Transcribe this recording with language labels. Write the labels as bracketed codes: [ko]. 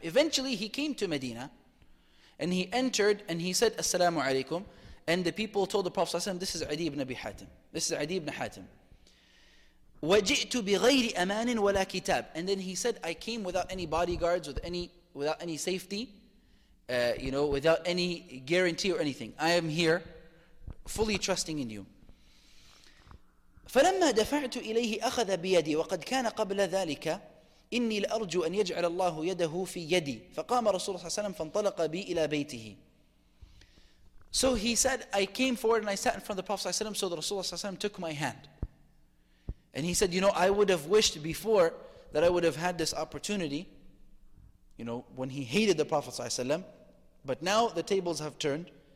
[en] Eventually he came to Medina and he entered and he said [ar] السلام عليكم, [en] and the people told the Prophet صلى الله عليه وسلم, this is عدي بن حاتم. [ar] وجئت بغير أمان ولا كتاب. [en] And then he said, I came without any bodyguards, without any safety, without any guarantee or anything. I am here fully trusting in you. [ar] فلما دفعت إليه أخذ بيدي وقد كان قبل ذلك إني لأرجو أن يجعل الله يده في يدي فقام رسول الله صلى الله عليه وسلم فانطلق بي إلى بيته. [en] So he said, I came forward and I sat in front of the Prophet صلى الله عليه وسلم, so the Rasulullah صلى الله عليه وسلم took my hand. And he said, I would have wished before that I would have had this opportunity, when he hated the Prophet صلى الله عليه وسلم, but now the tables have turned.